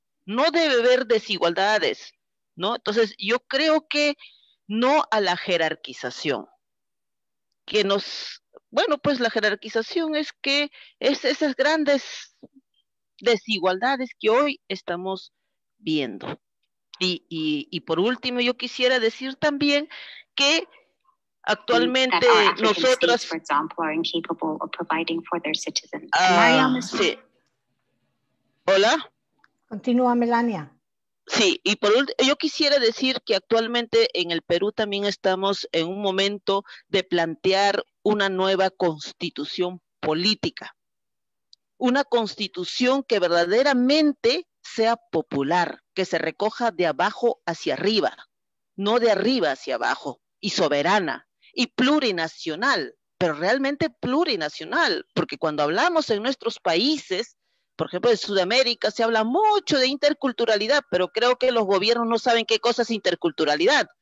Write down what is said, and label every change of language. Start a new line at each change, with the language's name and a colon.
Spanish: No debe haber desigualdades, ¿no? Entonces, yo creo que no a la jerarquización, que nos... Bueno, pues la jerarquización es que es esas grandes desigualdades que hoy estamos viendo. Y por último, yo quisiera decir también que actualmente nosotras...
English: States, for example, are incapable of providing for their citizens.
Spanish: Sí. ¿Hola? Continúa, Melania. Sí, y por último, yo quisiera decir que actualmente en el Perú también estamos en un momento de plantear una nueva constitución política, una constitución que verdaderamente sea popular, que se recoja de abajo hacia arriba, no de arriba hacia abajo, y soberana, y plurinacional, pero realmente plurinacional, porque cuando hablamos en nuestros países, por ejemplo, en Sudamérica, se habla mucho de interculturalidad, pero creo que los gobiernos no saben qué cosa es interculturalidad.